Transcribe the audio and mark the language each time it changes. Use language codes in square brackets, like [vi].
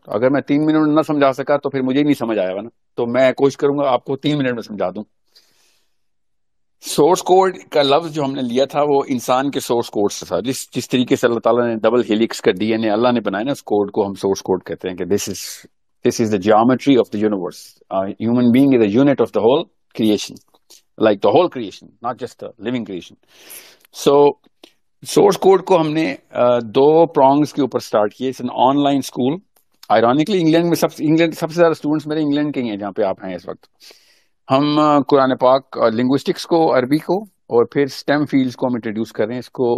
[ur] اگر میں 3 منٹ میں نہ سمجھا سکا تو پھر مجھے نہیں سمجھ آئے گا نا, تو میں کوشش کروں گا آپ کو 3 منٹ میں سمجھا دوں. سورس کوڈ کا لفظ جو ہم نے لیا تھا وہ انسان کے سورس کوڈ سے تھا, جس طریقے سے اللہ تعالیٰ نے ڈبل ہیلکس کا ڈی این اے اللہ نے بنایا نا, اس کوڈ کو ہم سورس کوڈ کہتے ہیں کہ [en] This is the geometry of the universe. Human being is a unit of the whole creation, like the whole creation, not just the living creation. [ur] So source code کو ہم نے دو پرانگس کے اوپر اسٹارٹ کیے. [en] it's an online school, [ur] ironically England میں سب سے زیادہ students میرے انگلینڈ کے ہی ہیں جہاں پہ آپ ہیں اس وقت. ہم قرآن پاک لنگوسٹکس کو, عربی کو, اور پھر اسٹیم فیلڈس کو ہم انٹروڈیوس کر رہے ہیں اس کو.